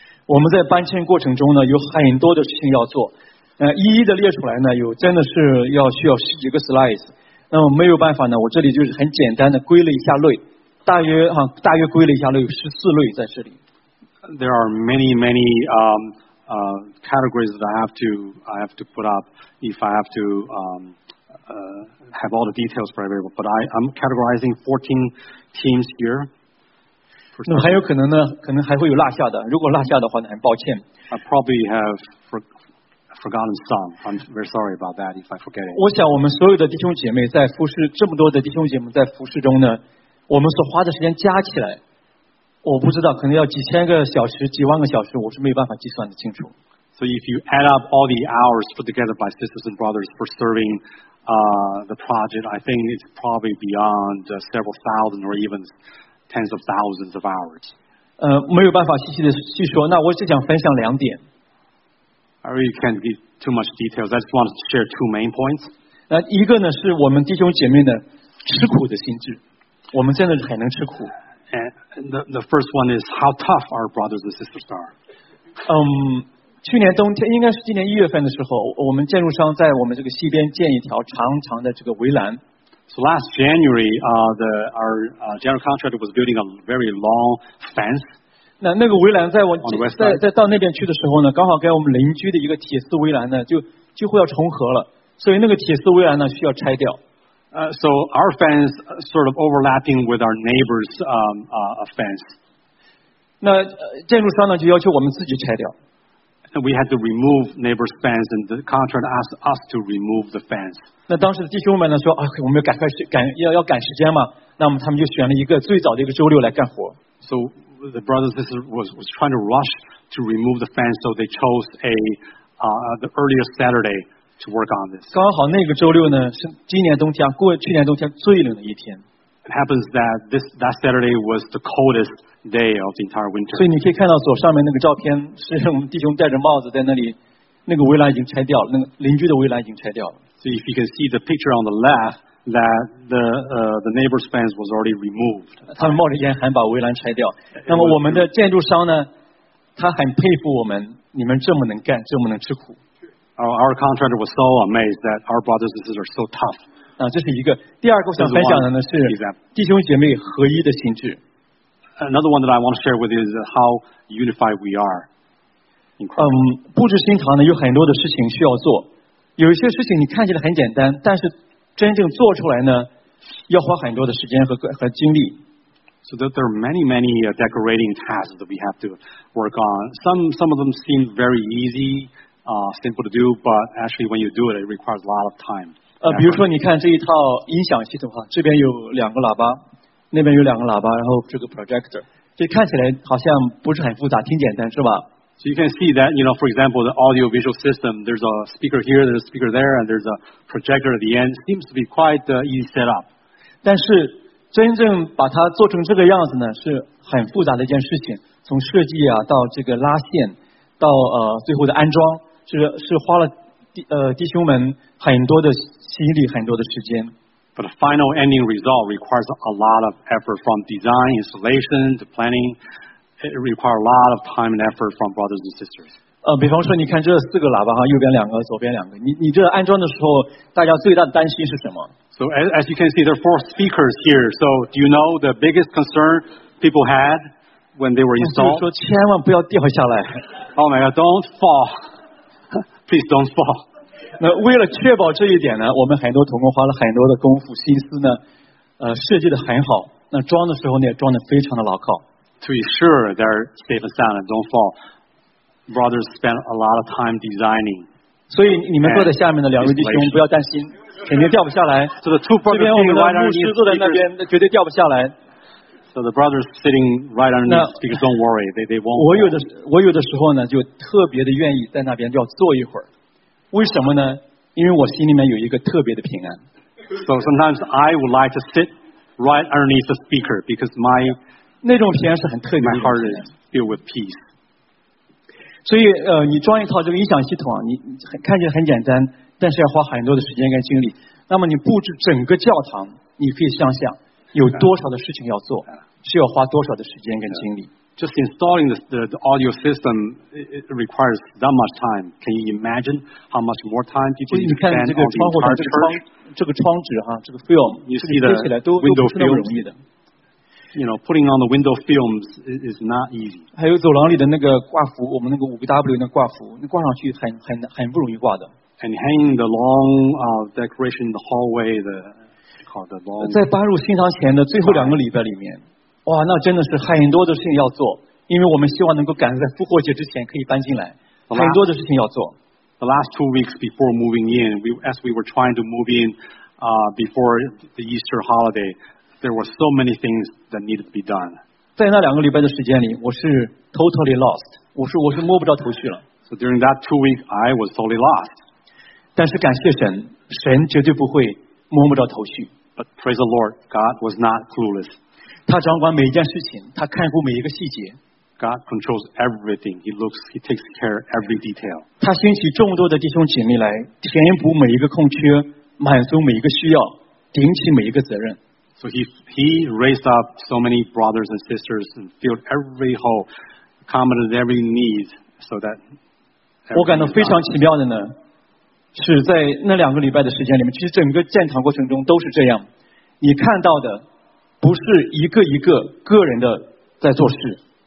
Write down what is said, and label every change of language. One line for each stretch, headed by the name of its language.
Chinese: 我们在搬迁过程中呢，有很多的事情要做。一一的列出来呢，有真的是要需要十几个 slides。那么没有办法呢，我这里就是很简单的归了一下类，大约归了一下类，有14类在这里。
English: There are many categories that I have to put up if I have to have all the details for everyone. But I'm categorizing 14 teams here.
Chinese: 那还有可能呢，可能还会有落下的。如果落下的话呢，很抱歉。
English: I probably have forgotten some. I'm very sorry about that if I forget it.
Chinese: 我想我们所有的弟兄姐妹在服事，这么多的弟兄姐妹在服事中呢，我们所花的时间加起来，我不知道，可能要几千个小时，几万个小时，我是没办法计算的清楚。
English: So if you add up all the hours put together by sisters and brothers for serving the project, I think it's probably beyond several thousand or even tens of thousands of hours.
Chinese: 没有办法细细的细说，那我只想分享两点。
English: I really can't give too much details. I just want to share two main points.
Chinese: 那一个呢，是我们弟兄姐妹的吃苦的心智，我们真的很能吃苦。
English: And the first one is how tough our brothers and sisters are.
Chinese: 去年冬天，应该是今年一月份的时候，我们建筑商在我们这个西边建一条长长的这个围栏。
English: So last January, our general contractor was building a very long fence.
Chinese: 那个围栏在我在到那边去的时候呢，刚好跟我们邻居的一个铁丝围栏呢，就几乎要重合了，所以那个铁丝围栏呢需要拆掉。
English: So our fence sort of overlapping with our neighbor's fence.
Chinese: 那建筑商呢就要求我们自己拆掉。
English: And we had to remove neighbor's fence, and the contractor asked us to remove the fence.
Chinese: 那当时弟兄们呢说，哎，我们要赶时间嘛，那么他们就选了一个最早的一个周六来干活。
English: So the brothers and sisters was trying to rush to remove the fence, so they chose the earlier Saturday to work on this.
Chinese: 刚好那个周六呢是今年冬天过去年冬天最冷的一天。
English: It happens that that Saturday was the coldest. Day of the entire winter.
Chinese: 所以你可以看到左上面那个照片，是我们弟兄戴着帽子在那里，那个围栏已经拆掉了，那个邻居的围栏已经拆掉了。
English: So if you can see the picture on the left, that the neighbor's fence was already removed.
Chinese: 他们冒着烟还把围栏拆掉。那么我们的建筑商呢，他很佩服我们，你们这么能干，这么能吃苦。
English: Our contractor was so amazed that our brothers and sisters are so tough.
Chinese: 啊，这是一个。第二个我想分享的呢是弟兄姐妹合一的心智。
English: Another one that I want to share with you is how unified we are.
Chinese: 布置新堂呢有很多的事情需要做，有一些事情你看起来很简单，但是真正做出来呢，要花很多的时间和精力。
English: So there are many decorating tasks that we have to work on. Some of them seem very easy, simple to do, but actually when you do it, it requires a lot of time.
Chinese: 比如说你看这一套音响系统哈，这边有两个喇叭。那边有两个喇叭，然后这个 projector， 这看起来好像不是很复杂，挺简单，是吧
English: ？So you can see that, you know, for example, the audiovisual system. There's a speaker here, there's a speaker there, and there's a projector at the end. Seems to be quite easy setup.
Chinese: 但是真正把它做成这个样子呢，是很复杂的一件事情。从设计啊，到这个拉线，到最后的安装，是花了弟兄们很多的心力，很多的时间。
English: But the final ending result requires a lot of effort from design, installation, to planning. It requires a lot of time and effort from brothers and sisters.
Chinese: 比方说你看这四个喇叭，右边两个，左边两个。你这安装的时候，大家最大的担心是什么？
English: So as you can see, there are four speakers here. So do you know the biggest concern people had when they were installed?
Chinese: 就是说千万不要掉下来。
English: Oh my God, don't fall. Please don't fall.
Chinese: 那为了确保这一点呢，我们很多同工花了很多的功夫心思呢，设计得很好，那装的时候呢也装得非常的牢靠。
English: To ensure they're safe and sound and don't fall, brothers spend a lot of time designing.
Chinese: 所以你们坐在下面的两位弟兄不要担心，肯定掉不下来。
English: So the two brothers sitting right underneath the speakers,
Chinese: 这边我们的牧师坐在那边，绝对掉不下来。
English: So the brothers sitting right underneath the speakers, don't worry, they won't.
Chinese: 我有的时候呢，就特别的愿意在那边要坐一会儿。为什么呢？因为我心里面有一个特别的平安。
English: So sometimes I would like to sit right underneath the speaker because my
Chinese: 那种平安是很特别的。
English: My heart is filled with peace.
Chinese: 所以你装一套这个音响系统啊，你看起来很简单，但是要花很多的时间跟精力。那么你布置整个教堂，你可以想想有多少的事情要做，需要花多少的时间跟精力。
English: Just installing the audio system requires that much time. Can you imagine how much more time people need to spend on the entire church?
Chinese: 这个film,
English: you see the window films. You know, putting on the window films is not easy.
Chinese: 还有走廊里的那个挂幅，我们那个五个 W 那挂幅，那挂上去很不容易挂的。
English: And hanging the long decoration in the hallway, the long.
Chinese: 在搬入新堂前的最后两个礼拜里面。哇，那真的是很多的事情要做，因为我们希望能够赶在复活节之前可以搬进来，很多的事情要做。
English: The last 2 weeks before moving in, as we were trying to move in, before the Easter holiday, there were so many things that needed to be done.
Chinese: 在那两个礼拜的时间里，我是
English: totally lost,
Chinese: 我是摸不着头绪了。
English: So during that 2 weeks, I was totally lost.
Chinese: 但是感谢神，神绝对不会摸不着头绪。
English: But praise the Lord, God was not clueless.
Chinese: 他掌管每一件事情，他看顾每一个细节。
English: God controls everything. He takes care of every detail.
Chinese: 他兴起众多的弟兄姐妹来填补每一个空缺，满足每一个需要，顶起每一个责任。
English: So he raised up so many brothers and sisters and filled every hole, accommodated every need, so that.
Chinese: 我感到非常奇妙的呢，是在那两个礼拜的时间里面，其实整个建堂过程中都是这样。你看到的。不是一个一个个人的在做事。